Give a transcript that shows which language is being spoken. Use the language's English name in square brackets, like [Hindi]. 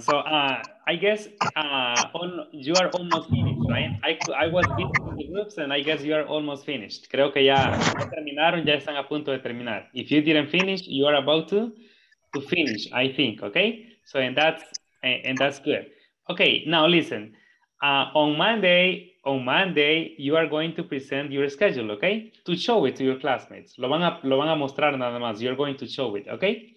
[English] So I guess you are almost finished, right? I was in the groups and I guess you are almost finished. [Spanish] Creo que ya terminaron, ya están a punto de terminar. [English] If you didn't finish, you are about to finish, I think, okay? So and that's good. Okay, now listen. On Monday, you are going to present your schedule, okay? To show it to your classmates. [Spanish] Lo van a mostrar nada más. [English] You're going to show it, okay?